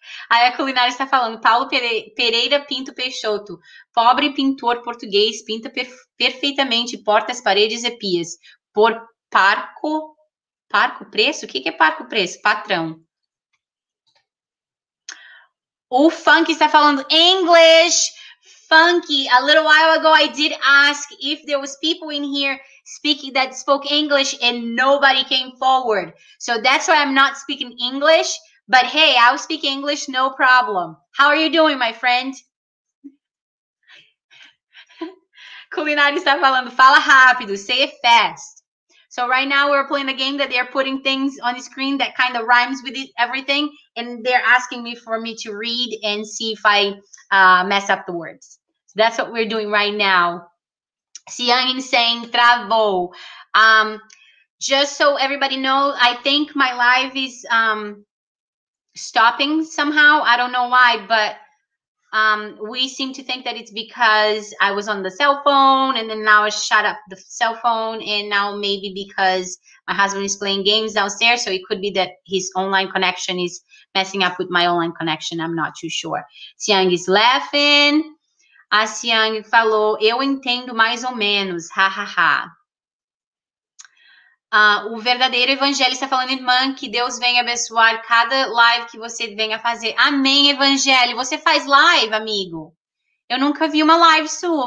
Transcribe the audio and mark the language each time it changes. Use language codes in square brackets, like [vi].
[pt] Aí a culinária está falando, Paulo Pereira Pinto Peixoto, pobre pintor português, pinta perfeitamente portas, paredes e pias por parco preço? O que é parco preço? Patrão. O Funk está falando English. [en] Funky, a little while ago I did ask if there was people in here speaking that spoke English and nobody came forward, so that's why I'm not speaking English. But hey, I speak English, no problem. How are you doing, my friend? [pt] Culinário está falando, fala rápido, [en] say it fast. So right now we're playing a game that they're putting things on the screen that kind of rhymes with everything. And they're asking me for me to read and see if I mess up the words. So that's what we're doing right now. Siang is saying, [pt] travou. [en] Just so everybody knows, I think my live is... stopping somehow. I don't know why, but we seem to think that it's because I was on the cell phone and then now I shut up the cell phone, and now maybe because my husband is playing games downstairs, so it could be that his online connection is messing up with my online connection. I'm not too sure. Siang is laughing. [pt] A Siang falou, eu entendo mais ou menos, ha ha ha. O verdadeiro Evangelho está falando, irmã, que Deus venha abençoar cada live que você venha fazer. Amém, Evangelho. Você faz live, amigo? Eu nunca vi uma live sua.